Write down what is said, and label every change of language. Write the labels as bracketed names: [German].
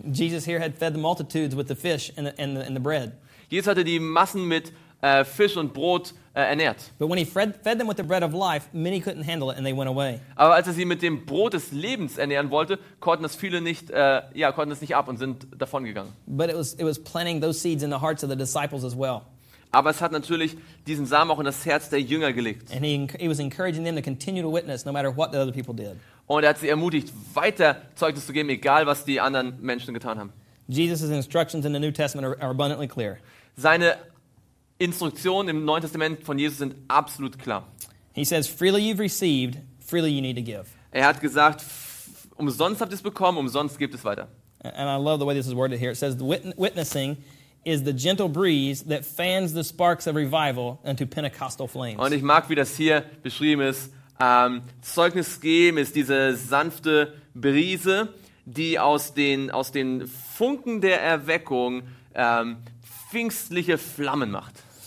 [English] Jesus here had fed the multitudes with the fish and the bread. [German] Jesus hatte die Massen mit Fisch und Brot ernährt. [English] But when he fed them with the bread of life, many couldn't handle it and they went away. [German] Aber als er sie mit dem Brot des Lebens ernähren wollte, konnten das viele nicht konnten es nicht ab und sind davon gegangen. [English] But it was planting those seeds in the hearts of the disciples as well. [German] Aber es hat natürlich diesen Samen auch in das Herz der Jünger gelegt. [English] And he was encouraging them to continue to witness no matter what the other people did. [German] Und er hat sie ermutigt, weiter Zeugnis zu geben, egal was die anderen Menschen getan haben. [English] Jesus' instructions in the New Testament are abundantly clear. [German] Seine Instruktionen im Neuen Testament von Jesus sind absolut klar. [English] He says, freely you've received, freely you need to give. [German] Er hat gesagt, umsonst habt ihr es bekommen, umsonst gebt es weiter. [English] And I love the way this is worded here. It says, witnessing is the gentle breeze that fans the sparks of revival into Pentecostal flames. [German] Und ich mag, wie das hier beschrieben ist. Zeugnis geben ist diese sanfte Brise, die aus den Funken der Erweckung pfingstliche Flammen macht.